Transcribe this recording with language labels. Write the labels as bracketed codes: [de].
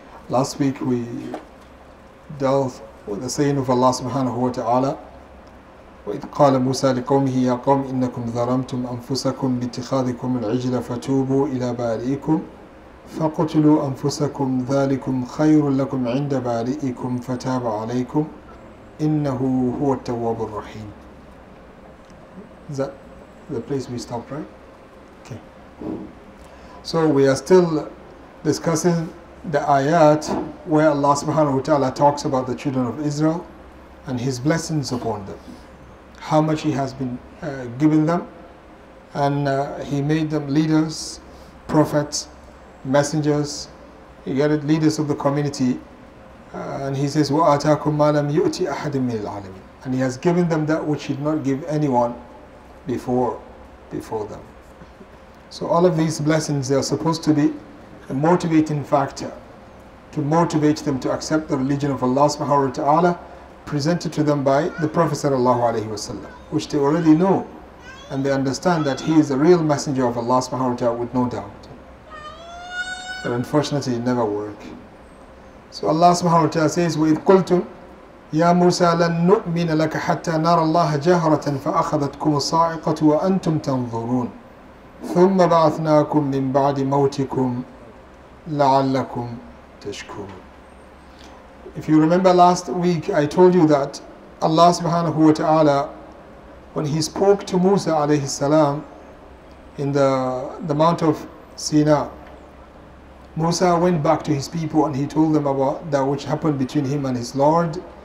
[en] Last week we dealt with the saying of Allah subhanahu wa ta'ala, [ar] وَإِذْ قَالَ مُوسَى لِقَوْمِهِ يَا قَوْمِ إِنَّكُمْ ظَلَمْتُمْ أَنفُسَكُمْ بِاتِّخَاذِكُمْ الْعِجْلَ فَتُوبُوا إِلَى بَارِئِكُمْ فَقُتُلُوا أَنفُسَكُمْ ذَلِكُمْ خَيْرٌ لَكُمْ عِنْدَ بَارِئِكُمْ فَتَابَ عَلَيْكُمْ إِنَّهُ هُوَ التَّوَّابُ الرَّحِيمُ. [en] Is that the place we stopped, right? Okay. So we are still discussing the ayat where Allah subhanahu wa ta'ala talks about the children of Israel and His blessings upon them, how much He has been given them, and He made them leaders, prophets, messengers, you get it, leaders of the community. And He says, [ar] وَآتَاكُمْ مَا لَمْ يُؤْتِ أَحَدٍ مِنَ الْعَالَمِينَ. [en] And He has given them that which He did not give anyone before them. So all of these blessings, they are supposed to be a motivating factor to motivate them to accept the religion of Allah subhanahu wa ta'ala, presented to them by the Prophet sallallahu alaihi wasallam, which they already know, and they understand that he is a real messenger of Allah subhanahu wa ta'ala with no doubt. But unfortunately, it never worked. So Allah subhanahu wa ta'ala says, [ar] وَإِذْ قُلْتُمْ يَا مُوسَى لَن نُؤْمِنَ لَكَ حَتَّى نَرَى اللَّهَ جَهْرَةً فَأَخَذَتْكُمُ الصَّاعِقَةُ وَأَنْتُمْ تَنْظُرُونَ ثُمَّ بَعَثْنَاكُمْ مِنْ بَعْدِ مَوْتِكُمْ لَعَلَّكُمْ تَشْكُرُونَ. [en] If you remember last week, I told you that Allah subhanahu wa ta'ala, when He spoke to Musa alayhi salam in the Mount of Sina, Musa went back to his people and he told them about that which happened between him and his Lord.